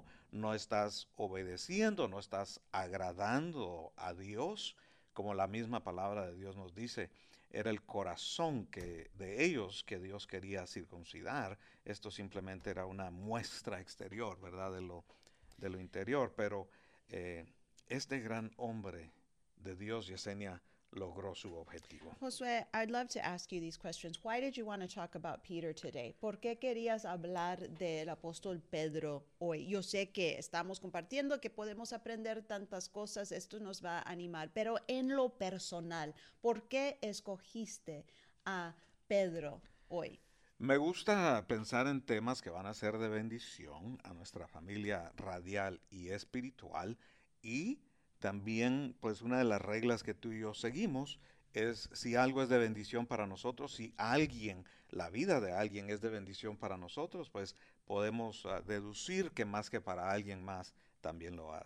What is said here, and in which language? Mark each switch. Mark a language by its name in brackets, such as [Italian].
[Spanish] No estás obedeciendo, no estás agradando a Dios, como la misma palabra de Dios nos dice. Era el corazón de ellos que Dios quería circuncidar. Esto simplemente era una muestra exterior, ¿verdad? De lo interior. Pero este gran hombre de Dios, Yesenia, logró su objetivo. [English] Josué, I'd love to ask you these questions. Why did you want to talk about Peter today? [Spanish] ¿Por qué querías hablar del apóstol Pedro hoy? Yo sé que estamos compartiendo, que podemos aprender tantas cosas, esto nos va a animar, pero en lo personal, ¿por qué escogiste a Pedro hoy? Me gusta pensar en temas que van a ser de bendición a nuestra familia radial y espiritual, y también, pues, una de las reglas que tú y yo seguimos es: si algo es de bendición para nosotros, si alguien, la vida de alguien es de bendición para nosotros, pues podemos deducir que más que para alguien más, también lo hace.